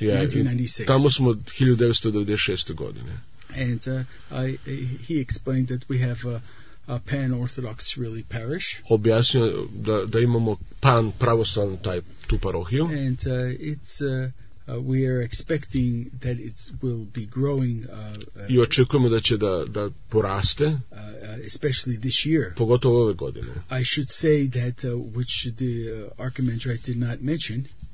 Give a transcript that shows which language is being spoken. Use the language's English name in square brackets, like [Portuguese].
[Serbian] Yeah, 1996. Tamo smo od 1996. godine. [English] And he explained that we have a pan-orthodox really parish. [Serbian] Objasnio da imamo pan pravoslavnu taj tu parohiju. [English] And we are expecting that it will be growing. [Serbian] I očekujemo da će da poraste. [English] Especially this year. [Serbian] Pogotovo ove godine. [English] I should say that which the Archimandrite did not mention.